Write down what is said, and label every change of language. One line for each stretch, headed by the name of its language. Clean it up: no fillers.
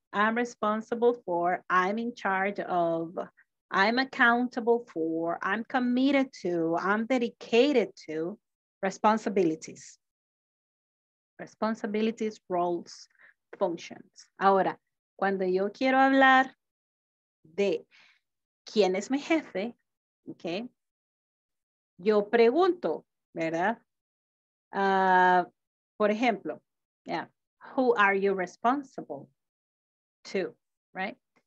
English: I'm responsible for, I'm in charge of, I'm accountable for, I'm committed to, I'm dedicated to responsibilities. Responsibilities, roles, functions.
Spanish: Ahora, cuando yo quiero hablar de quién es mi jefe, ¿ok? Yo pregunto, ¿verdad? Por ejemplo,
English: yeah, who are you responsible to, right?